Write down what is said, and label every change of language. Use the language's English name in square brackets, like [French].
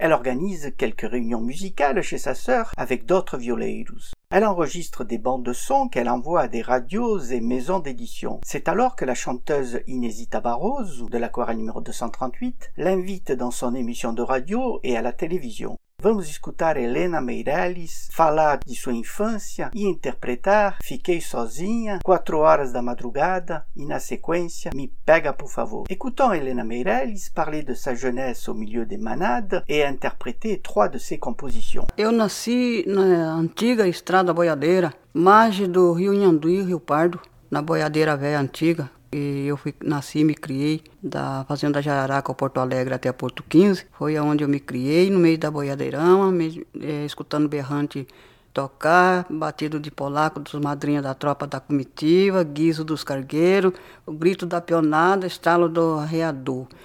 [French] Elle organise quelques réunions musicales chez sa sœur avec d'autres violeiros. Elle enregistre des bandes de sons qu'elle envoie à des radios et maisons d'édition. C'est alors que la chanteuse Inesita Barroso, de l'Aquarelle numéro 238, l'invite dans son émission de radio et à la télévision. [Portuguese] Vamos escutar Helena Meirelles falar de sua infância e interpretar Fiquei Sozinha, 4 horas da madrugada e na sequência Me Pega Por Favor. [French] Écoutons Helena Meirelles parler de sa jeunesse au milieu des manades et interpréter 3 de ses compositions. [Portuguese] Eu nasci na antiga estrada boiadeira, margem do rio Nhanduí, rio Pardo, na boiadeira velha antiga. E eu fui, nasci e me criei da fazenda Jararaca ao Porto Alegre até Porto 15. Foi onde eu me criei, no meio da boiadeirama, escutando berrante tocar, batido de polaco dos madrinhas da tropa da comitiva, guiso dos cargueiros, o grito da pionada, estalo do arreador.